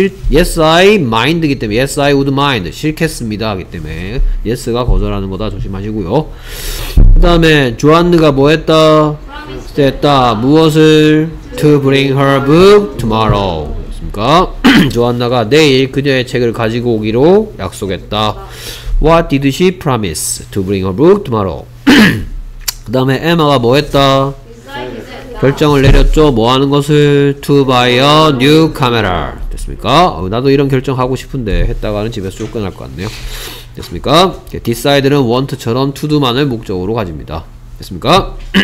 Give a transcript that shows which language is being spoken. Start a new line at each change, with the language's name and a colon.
Korean: 예스 아이 마인드이기 때문에
English: 예스 아이 우드 마인드
Korean: 싫겠습니다기 때문에 예스가 거절하는 거다 조심하시고요. 그다음에 조안느가 뭐 했다? 했다. 무엇을
English: to bring her book tomorrow.
Korean: 그러니까 조안느가 내일 그녀의 책을 가지고 오기로 약속했다.
English: What did she promise to bring her book tomorrow?
Korean: 그다음에 에마가 뭐 했다? 결정을 내렸죠. 뭐 하는 것을
English: to buy a new camera.
Korean: 됐습니까? 나도 이런 결정 하고 싶은데 했다가는 집에서 쫓겨날 것 같네요. 됐습니까? decide는 want처럼 to do만을 목적으로 가집니다. 됐습니까?